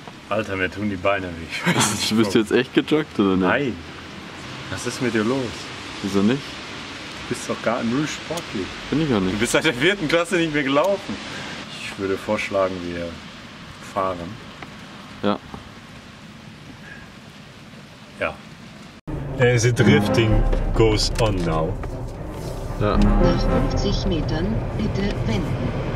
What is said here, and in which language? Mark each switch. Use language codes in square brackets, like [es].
[de] Alter, mir tun die Beine weh. Du bist jetzt echt gejoggt oder nicht? Nein. Was ist mit dir los? Wieso nicht? Du bist doch gar nicht sportlich. Bin ich auch nicht. Du bist seit der 4. Klasse nicht mehr gelaufen. Ich würde vorschlagen, wir fahren. Ja. Ja. [en] As the drifting goes on now. [de] Ja. Nach 50 Metern bitte wenden.